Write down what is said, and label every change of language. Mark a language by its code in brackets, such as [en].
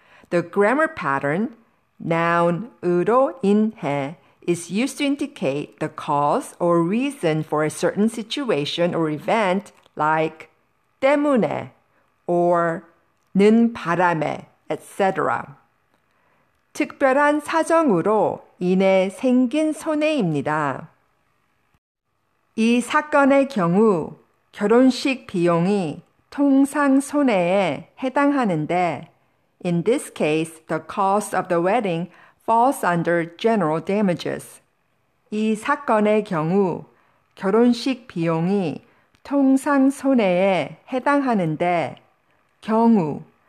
[en] The grammar pattern, noun으로 인해, is used to indicate the cause or reason for a certain situation or event like 때문에 or 는 바람에, etc. [ko] 특별한 사정으로 인해 생긴 손해입니다. 이 사건의 경우 결혼식 비용이 통상 손해에 해당하는데 [en] In this case, the cost of the wedding falls under general damages. [ko] 이 사건의 경우 결혼식 비용이 통상 손해에 해당하는데 경우